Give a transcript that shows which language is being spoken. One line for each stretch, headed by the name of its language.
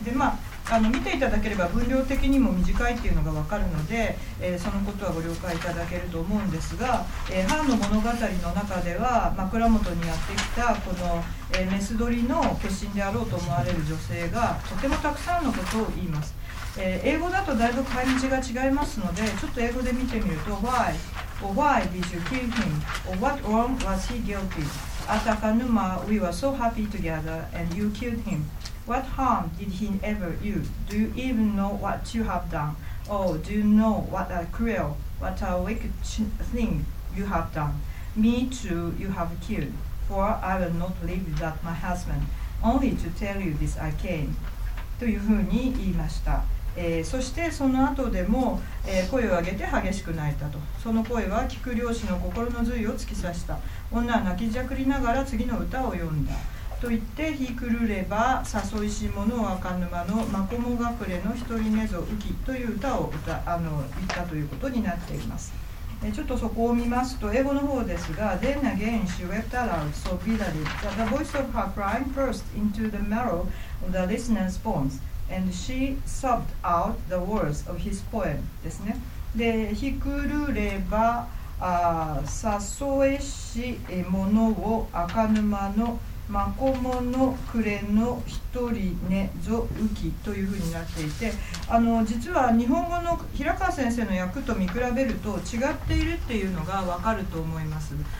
Japanese: で、まあ、あの見ていただければ分量的にも短いっていうのが分かるので、そのことはご了解いただけると思うんですが、ハーンの物語の中では枕元にやってきたこの、メス鳥の化身であろうと思われる女性がとてもたくさんのことを言います。英語だとだいぶ返り字が違いますので、ちょっと英語で見てみると、
English: Why? Or why did you kill him? Or what wrong was he guilty? At Akanuma, we were so happy together and you killed him. What harm did he ever do? Do you even know what you have done? Oh, do you know what a cruel, what a wicked thing you have done? Me too, you have killed. For I will not leave without my husband. Only to tell you this I came.
Japanese: というふうに言いました。そしてその後でも、声を上げて激しく泣いたと。その声は聞く漁師の心の髄を突き刺した。女は泣きじゃくりながら次の歌を詠んだ。と言ってひくるれば誘いし者は赤沼のまこもがくれの一人寝ぞ浮きという歌を言ったということになっています。ちょっとそこを見ますと英語の方ですが
English: Then again she wept aloud so bitterly that the voice of her crying burst into the marrow of the listener's bones and she sobbed out the words of his poem
Japanese: ですね。でひくるれば誘えし者を赤沼のまこものくれの一人寝ぞ浮きというふうになっていて、実は日本語の平川先生の訳と見比べると違っているっていうのがわかると思います。